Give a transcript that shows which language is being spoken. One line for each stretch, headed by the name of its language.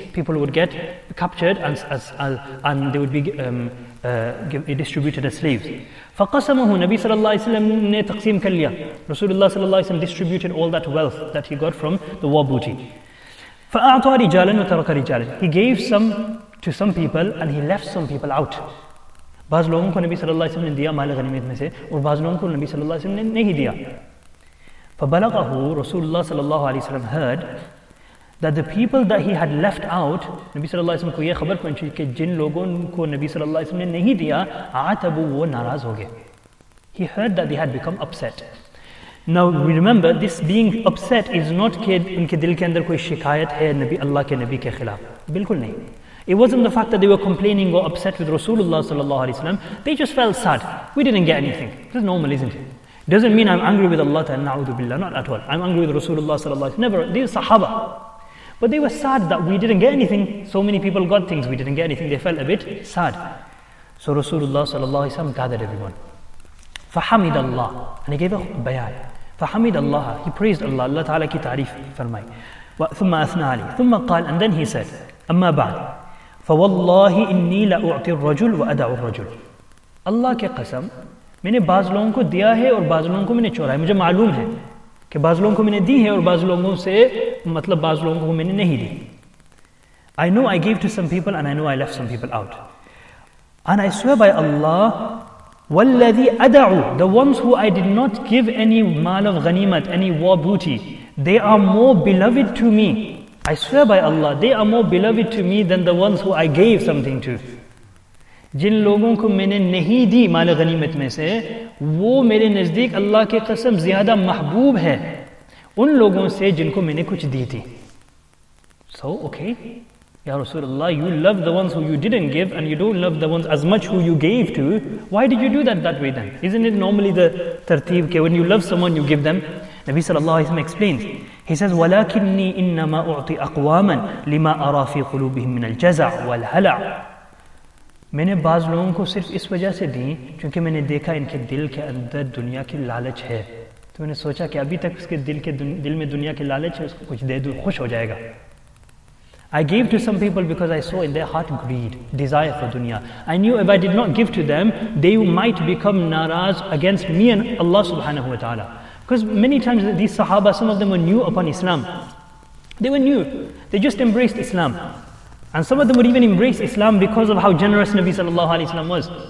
English: People would get captured and they would be distributed as slaves.
Arabic: فَقَسَمَهُ نَبِي صَلَى اللَّهِ سَلَّمُ نَي تَقْسِيمُ كَلْيَا.
English: Rasulullah صلى الله عليه وسلم distributed all that wealth that he got from the war booty.
Arabic: فَأَعْطَى رِجَالًا وَتَرَكَ رِجَالًا.
English: He gave some to some people and he left some people out.
Urdu: بعض لوگوں کو نبی صلی اللہ علیہ وسلم نے دیا مال غنیمت میں سے اور بعض لوگوں کو نبی صلی اللہ علیہ وسلم نے نہیں دیا.
Arabic: فَبَلَغَهُ رَسُولُ اللَّهِ
Urdu: صلی اللہ علیہ وسلم
English: heard that the people that he had left out,
Urdu: نبی صلی اللہ علیہ وسلم کو یہ خبر پہنچی کہ جن لوگوں کو نبی صلی اللہ علیہ وسلم نے نہیں دیا,
Arabic: عَتَبُوا,
Urdu: وہ ناراض ہو گئے.
English: He heard that they had become upset. Now we remember, this being upset is not that
Urdu: ان کے دل کے اندر کوئی شکایت ہے نبی اللہ کے نبی کے خلاف, بالکل نہیں.
English: It wasn't the fact that they were complaining or upset with Rasulullah sallallahu alaihi wasallam. They just felt sad. We didn't get anything. This is normal, isn't it? Doesn't mean I'm angry with Allah ta'ala, na'udhu billah, not at all. I'm angry with Rasulullah sallallahu alaihi wasallam. Never, these sahaba. But they were sad that we didn't get anything. So many people got things, we didn't get anything. They felt a bit sad. So Rasulullah sallallahu alaihi wasallam gathered everyone.
Arabic: فَحَمِدَ اللَّهِ,
English: and he gave a bayan. فَحَمِدَ اللَّهِ, he praised Allah.
Urdu: Allah ta'ala ki tarif farmai.
Arabic: ثُمَّ أَثْنَى عَلِي ثُمَّ قَال,
English: and then he said,
Arabic: أَمَّا بَعْدِ فَوَاللَّهِ إِنِّي لَأُعْتِ الرَّجُلُ وَأَدَعُ الرَّجُلُ.
Urdu: اللہ کے قسم, میں نے بعض لوگوں کو دیا ہے اور بعض لوگوں کو میں نے چھوڑا ہے. مجھے معلوم ہے کہ بعض لوگوں کو میں نے دی ہے اور بعض لوگوں سے, مطلب بعض لوگوں کو میں نے نہیں دی.
English: I know I gave to some people and I know I left some people out. And I swear by Allah,
Arabic: وَالَّذِي أَدَعُ,
English: the ones who I did not give any mal of ghanimat, any war booty, they are more beloved to me. I swear by Allah, they are more beloved to me than the ones who I gave something to.
Urdu: جن لوگوں کو میں نے نہیں دی مال غنیمت میں سے, وہ میرے نزدیک اللہ کے قسم زیادہ محبوب ہے ان لوگوں سے جن کو میں نے کچھ دی تھی.
English: So okay, Ya Rasulullah, you love the ones who you didn't give and you don't love the ones as much who you gave to. Why did you do that way then? Isn't it normally the tarteeb ke when you love someone, you give them? Nabi sallallahu alayhi wa sallam explains. He says,
Arabic: وَلَكِنِّي إِنَّمَا أُعْطِ أَقْوَامًا لِمَا أَرَى فِي قُلُوبِهِمْ مِنَ الْجَزَعُ وَالْحَلَعُ.
Urdu: میں نے بعض لوگوں کو صرف اس وجہ سے دیں چونکہ میں نے دیکھا ان کے دل کے اندر دنیا کی لالچ ہے. تو میں نے سوچا کہ ابھی تک اس کے دل میں دنیا کی لالچ ہے, اس کو کچھ دے دوں خوش ہو جائے گا.
English: I gave to some people because I saw in their heart greed, desire for dunya. I knew if I did not give to them, they might become naraz against me and Allah subhanahu wa ta'ala. Because many times these sahaba, some of them were new upon Islam. They were new. They just embraced Islam. And some of them would even embrace Islam because of how generous Nabi sallallahu alayhi wa sallam was.